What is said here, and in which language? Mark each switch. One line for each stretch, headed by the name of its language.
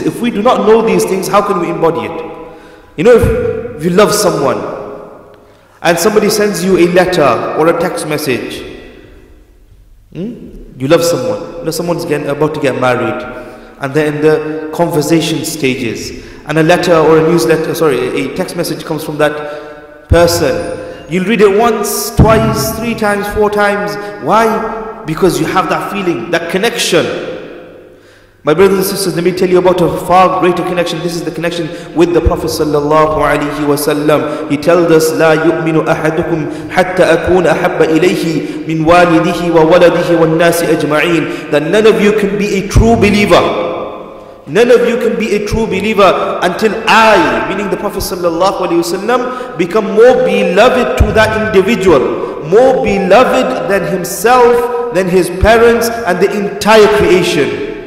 English: If we do not know these things, how can we embody it? You know, if you love someone and somebody sends you a letter or a text message, you love someone, you know, someone's about to get married, and they're in the conversation stages, and a letter or a newsletter, sorry, a text message comes from that person. You'll read it once, twice, three times, four times. Why? Because you have that feeling, that connection. My brothers and sisters, let me tell you about a far greater connection. This is the connection with the Prophet sallallahu alaihi wasallam. He tells us,
Arabic: لا يؤمن أحدكم حتى أكون أحب إليه من والده وولده والناس أجمعين.
English: That none of you can be a true believer. None of you can be a true believer until I, meaning the Prophet sallallahu alaihi wasallam, become more beloved to that individual, more beloved than himself, than his parents, and the entire creation.